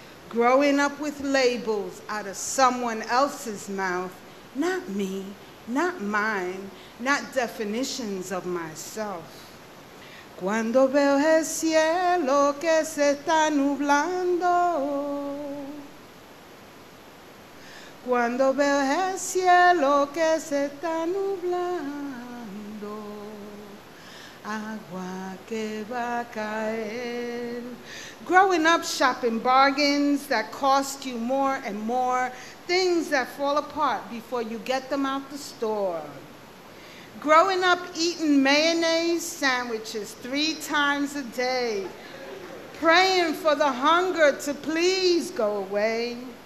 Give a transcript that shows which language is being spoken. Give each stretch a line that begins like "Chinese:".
English: Growing up with labels out of someone else's mouth, not me, not mine, not definitions of myself.
Spanish: Cuando veo el cielo que se está nublando, cuando veo el cielo que se está nublando, agua que va a caer.
English: Growing up shopping bargains that cost you more and more, things that fall apart before you get them out the store. Growing up eating mayonnaise sandwiches 3 times a day, praying for the hunger to please go away.